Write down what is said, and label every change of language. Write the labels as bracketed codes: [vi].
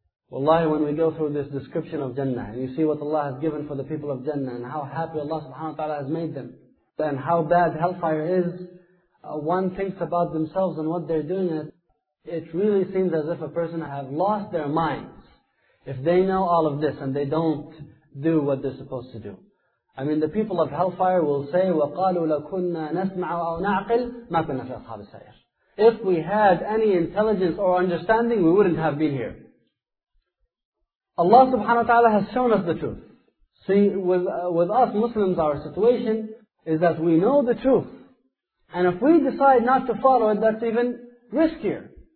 [en] Wallahi, when we go through this description of Jannah, and you see what Allah has given for the people of Jannah, and how happy Allah subhanahu wa ta'ala has made them, and how bad hellfire is, one thinks about themselves and what they're doing, and it really seems as if a person have lost their minds if they know all of this and they don't do what they're supposed to do. I mean, the people of hellfire will say, [ar] وَقَالُوا لَكُنَّا نَسْمَعُ أَوْ نَعْقِلُ مَا كُنَّا فِي أَصْحَابِ السَّعِيرِ. [en] If we had any intelligence or understanding, we wouldn't have been here. Allah subhanahu wa ta'ala has shown us the truth. See, with us Muslims, our situation is that we know the truth. And if we decide not to follow it, that's even riskier.